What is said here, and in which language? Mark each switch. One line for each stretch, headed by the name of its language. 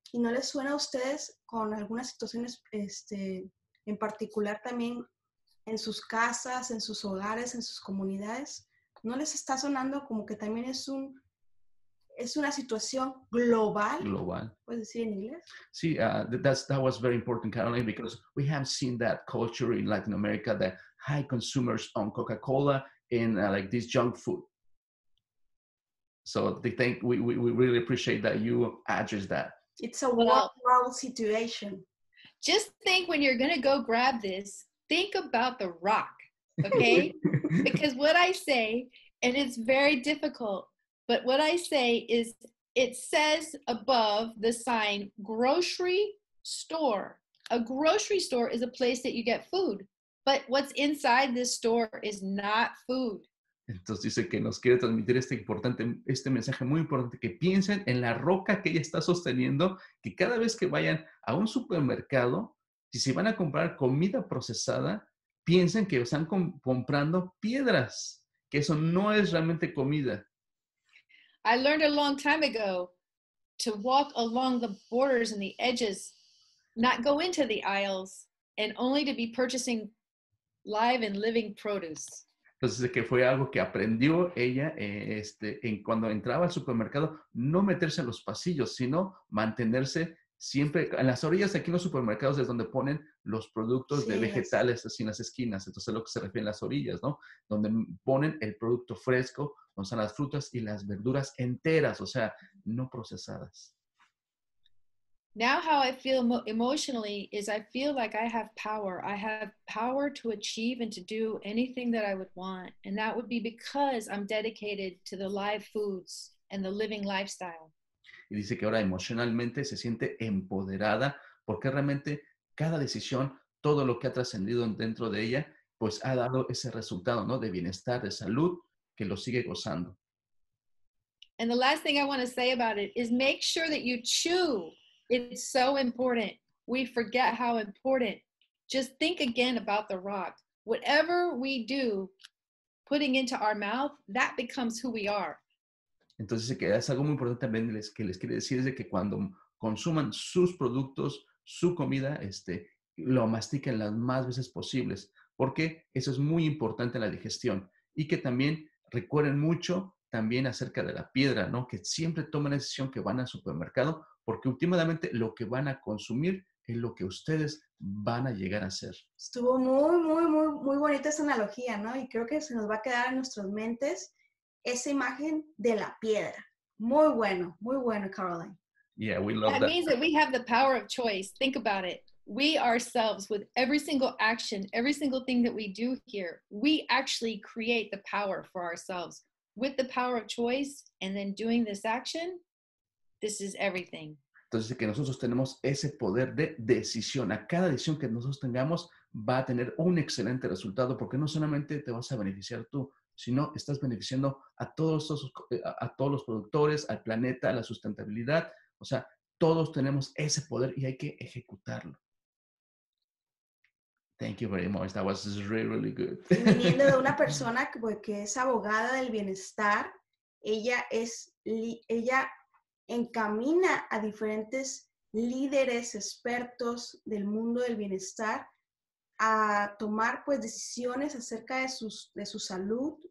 Spanish: ¿Y no les suena a ustedes con algunas situaciones en particular también en sus casas, en sus hogares, en sus comunidades? ¿No les está sonando como que también es un... es una situación global? Global. ¿Puedes decir en inglés?
English: Sí, that was very important, Caroline, because we have seen that culture in Latin America, that high consumers on Coca-Cola and like this junk food. So they think we really appreciate that you address that. It's a world situation. Just think when you're going to go grab this, think about the rock, okay? Because what I say, and it's very difficult, but what I say is, it says above the sign, grocery store. A grocery store is a place that you get food. But what's inside this store is not food.
Spanish: Entonces dice que nos quiere transmitir este mensaje muy importante, que piensen en la roca que ella está sosteniendo, que cada vez que vayan a un supermercado, y si van a comprar comida procesada, piensen que están comprando piedras, que eso no es realmente comida.
English: I learned a long time ago to walk along the borders and the edges, not go into the aisles, and only to be purchasing live and living produce.
Spanish: Entonces, que fue algo que aprendió ella cuando entraba al supermercado, no meterse en los pasillos, sino mantenerse siempre en las orillas. Aquí en los supermercados es donde ponen los productos de vegetales, así en las esquinas. Entonces, lo que se refiere a las orillas, ¿no? Donde ponen el producto fresco, o sea, las frutas y las verduras enteras, o sea, no procesadas.
English: Now how I feel emotionally is I feel like I have power. I have power to achieve and to do anything that I would want. And that would be because I'm dedicated to the live foods and the living lifestyle.
Spanish: Y dice que ahora emocionalmente se siente empoderada porque realmente cada decisión, todo lo que ha trascendido dentro de ella pues ha dado ese resultado, ¿no? De bienestar, de salud, que lo sigue gozando.
English: And the last thing I want to say about it is make sure that you chew. It's so important. We forget how important. Just think again about the rock. Whatever we do, putting into our mouth, that becomes who we are.
Spanish: Entonces, que es algo muy importante también que les quiere decir es de que cuando consuman sus productos, su comida, lo mastiquen las más veces posibles. Porque eso es muy importante en la digestión. Y que también recuerden mucho también acerca de la piedra, ¿no? Que siempre tomen la decisión que van al supermercado, porque últimamente lo que van a consumir es lo que ustedes van a llegar a ser. Estuvo muy, muy, muy, muy bonita esa analogía, ¿no? Y creo que se nos va a quedar en nuestras mentes esa imagen de la piedra. Muy bueno, Caroline.
English: Yeah, we love that. That means that we have the power of choice. Think about it. We ourselves, with every single action, every single thing that we do here, we actually create the power for ourselves. With the power of choice and then doing this action, this is everything.
Spanish: Entonces, que nosotros tenemos ese poder de decisión. A cada decisión que nosotros tengamos, va a tener un excelente resultado, porque no solamente te vas a beneficiar tú, sino estás beneficiando a todos los productores, al planeta, a la sustentabilidad. O sea, todos tenemos ese poder y hay que ejecutarlo.
English: Thank you very much. That was really, really good.
Spanish: Viniendo de una persona que es abogada del bienestar, ella encamina a diferentes líderes expertos del mundo del bienestar a tomar decisiones acerca de su salud.